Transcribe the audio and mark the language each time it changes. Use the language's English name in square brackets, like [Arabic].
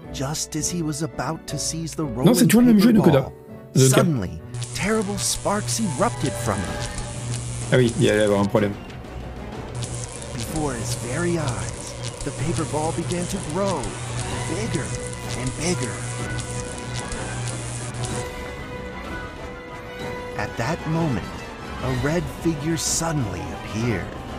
[English] Just as he was about to seize the [French] non, c'est toujours le même jeu de Coda. [English] Suddenly, terrible sparks erupted from it. [French] Ah oui, il y allait avoir un problème. [English] Before his very eyes, the paper ball began to grow bigger and bigger. At that moment, a red figure suddenly appeared.